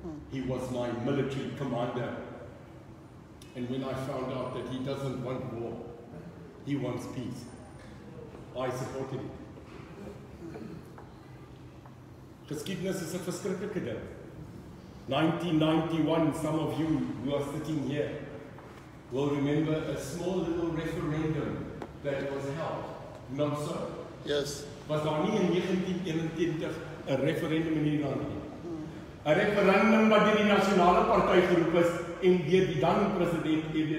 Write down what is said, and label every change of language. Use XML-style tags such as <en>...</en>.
<en>He was my military commander. And when I found out that he doesn't want war, he wants peace, I supported him.</en> <af>Geskiedenis is 'n verskriklike ding.</af> <en>1991, some of you who are sitting here will remember a small little referendum that was held. Not so? Yes.</en> <af>Was daar nie in 1991 'n referendum in hierdie land nie?</af> <en>A referendum by the National Party Group is in the then president E.W.</en>